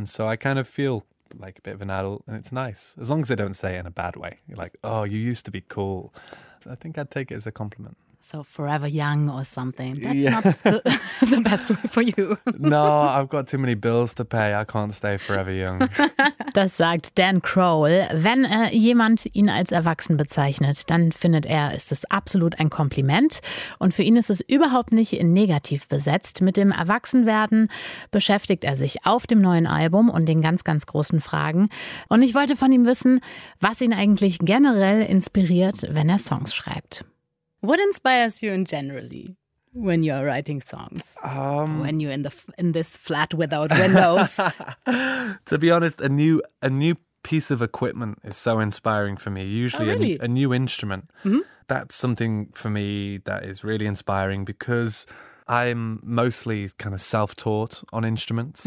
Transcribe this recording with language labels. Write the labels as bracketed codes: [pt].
[en] And so I kind of feel like a bit of an adult, and it's nice. As long as they don't say it in a bad way. You're like, oh, you used to be cool. I think I'd take it as a compliment. So forever young or something. That's yeah. not the best way for you. No, I've got too many bills to pay. I can't stay forever young. [de] Das sagt Dan Kroll. Wenn jemand ihn als erwachsen bezeichnet, dann findet er, ist es absolut ein Kompliment. Und für ihn ist es überhaupt nicht negativ besetzt. Mit dem Erwachsenwerden beschäftigt er sich auf dem neuen Album und den ganz, ganz großen Fragen. Und ich wollte von ihm wissen, was ihn eigentlich generell inspiriert, wenn er Songs schreibt. [en] What inspires you in generally when you are writing songs? When you're in this flat without windows. To be honest, a new piece of equipment is so inspiring for me. Usually, oh, really? a new instrument. Mm-hmm. That's something for me that is really inspiring, because I'm mostly kind of self-taught on instruments.